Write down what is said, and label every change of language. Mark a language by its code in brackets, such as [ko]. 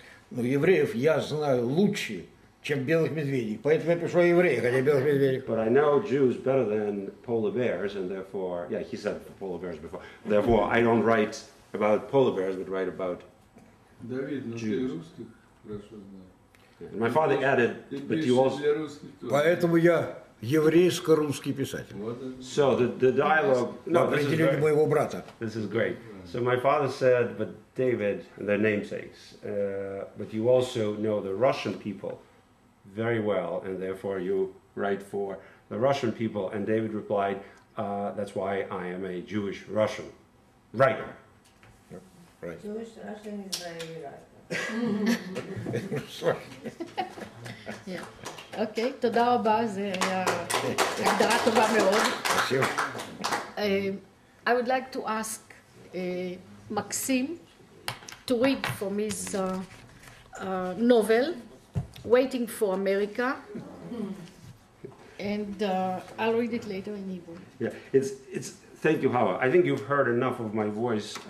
[ru] Ну, евреев я знаю лучше, чем белых медведей. Поэтому я пишу о евреях, а не о белых медведях. [en] But I know Jews better than polar bears, and therefore... Yeah, he said polar bears before. Therefore, I don't write about polar bears, but write about Jews. My father added, but you also... [ru] Поэтому я... Еврейско-русский писатель. [en] So the dialogue... No, this is great. So my father said, but David, their namesakes, but you also know the Russian people very well, and therefore you write for the Russian people. And David replied, that's why I am a Jewish Russian writer. Jewish Russian Israeli writer. Yeah. [he] אוקיי, תודה רבה, זה היה הגדרה טובה מאוד. חשוב. [en] I would like to ask Maxim to read from his novel, Waiting for America. And I'll read it later in Hebrew. Yeah, it's thank you, Chava. I think you've heard enough of my voice.